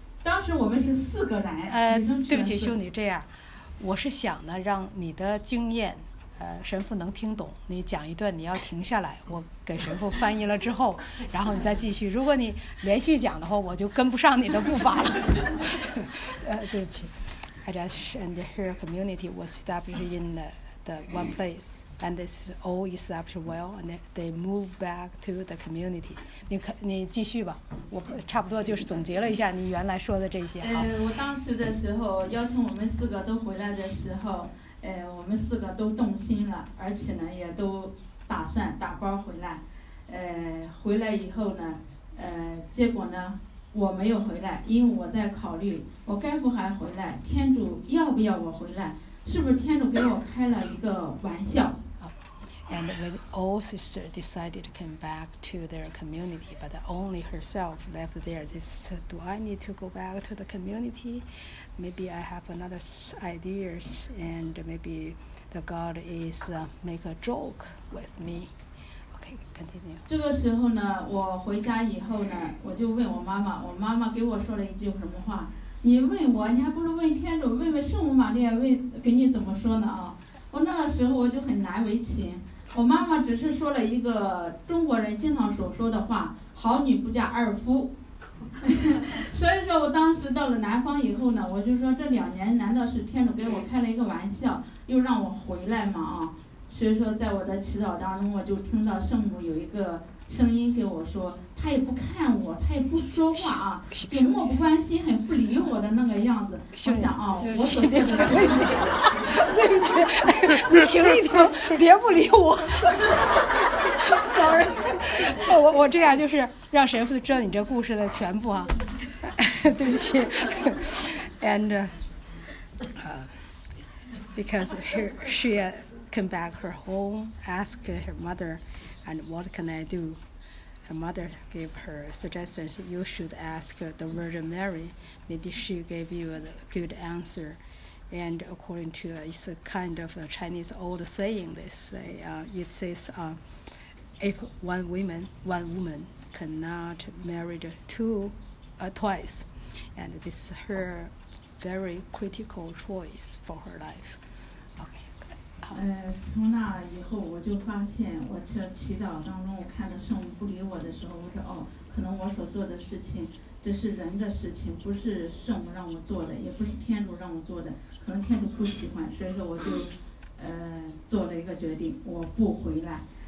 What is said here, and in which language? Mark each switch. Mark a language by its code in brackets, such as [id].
[zh] 当时我们是四个人，对不起修女，这样我是想呢，让你的经验，神父能听懂。你讲一段，你要停下来，我给神父翻译了之后，然后你再继续。如果你连续讲的话，我就跟不上你的步伐了。对不起 [en] ，I just and her community was established in the one place, and it's all established well, and they move back to the community. [zh] 你继续吧，我差不多就是总结了一下你原来说的这些。我当时的时候邀请我们四个都回来的时候，我们四个都动心了，而且呢也都打算打包回来。回来以后呢，结果呢我没有回来，因为我在考虑我该不还回来，天主要不要我回来。 [en] And when all sisters decided to come back to their community, but only herself left there, they said, do I need to go back to the community? Maybe I have another ideas, and maybe the God is make a joke with me. Okay, continue. [zh] 这个时候呢，我回家以后呢，我就问我妈妈给我说了一句什么话。你问我，你还不如问天主，问圣母玛利亚，问给你怎么说呢啊？我那个时候我就很难为情，我妈妈只是说了一个中国人经常所说的话，好女不嫁二夫。所以说我当时到了南方以后呢，我就说这两年难道是天主给我开了一个玩笑又让我回来吗？啊，所以说在我的祈祷当中，我就听到圣母有一个声音给我说，他也不看我，他也不说话啊，就漠不关心，很不理我的那个样子。我想啊，我所做的对不起，你停一停，别不理我。 [en] Sorry， [zh] 我这样就是让神父知道你这故事的全部啊，对不起。 [en] And because she came back her home, asked her mother, and what can I do? Her mother gave her suggestion: you should ask the Virgin Mary. Maybe she gave you a good answer. And according to it's a kind of a Chinese old saying. They say it says. If one woman cannot marry twice, and this is her very critical choice for her life. Okay. [zh] 从那以后，我就发现我在祈祷当中，我看到圣母不理我的时候，我说可能我所做的事情，这是人的事情，不是圣母让我做的，也不是天主让我做的，可能天主不喜欢，所以说我就做了一个决定，我不回来。